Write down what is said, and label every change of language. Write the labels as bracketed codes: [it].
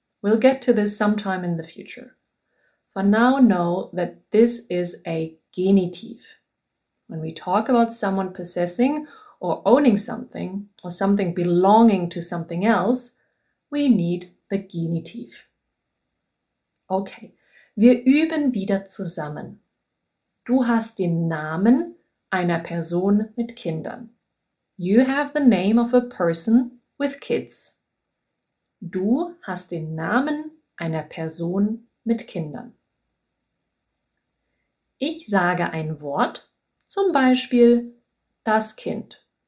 [en] We'll get to this sometime in the future. For now, know that this is a genitiv. When we talk about someone possessing or owning something, or something belonging to something else, we need the genitiv. [de] Okay, wir üben wieder zusammen. Du hast den Namen einer Person mit Kindern. [en] You have the name of a person with kids. [de] Du hast den Namen einer Person mit Kindern. Ich sage ein Wort, zum Beispiel das Kind.